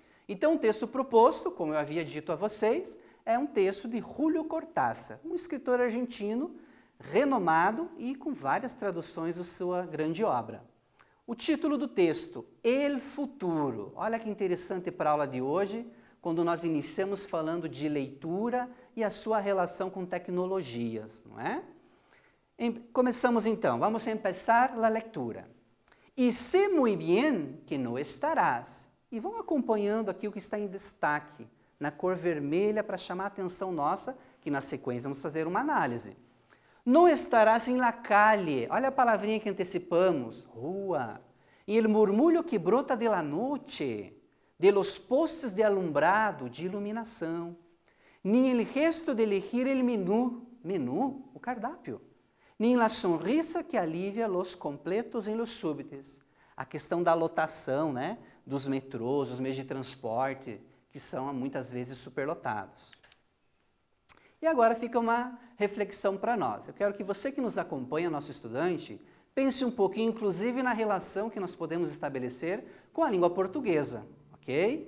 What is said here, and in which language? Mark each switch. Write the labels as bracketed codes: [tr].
[pt] Então, o texto proposto, como eu havia dito a vocês, é um texto de Julio Cortázar, um escritor argentino renomado e com várias traduções de sua grande obra. O título do texto, El Futuro. Olha que interessante para a aula de hoje, quando nós iniciamos falando de leitura e a sua relação com tecnologias, não é? Começamos então, vamos começar a leitura. [es] E sé muy bien que no estarás. [pt] E vão acompanhando aqui o que está em destaque, na cor vermelha, para chamar a atenção nossa, que na sequência vamos fazer uma análise. [es] No estarás en la calle. [pt] Olha a palavrinha que antecipamos. Rua. [es] E el murmullo que brota de la noche, de los postes de alumbrado, [pt] de iluminação. [es] Ni el gesto de elegir el menú. Menú, [pt] o cardápio. [es] Ni la sonrisa que alivia los completos en los súbites. [pt] A questão da lotação, né? Dos metrôs, os meios de transporte, que são muitas vezes superlotados. E agora fica uma reflexão para nós. Eu quero que você que nos acompanha, nosso estudante, pense um pouquinho, inclusive, na relação que nós podemos estabelecer com a língua portuguesa, ok?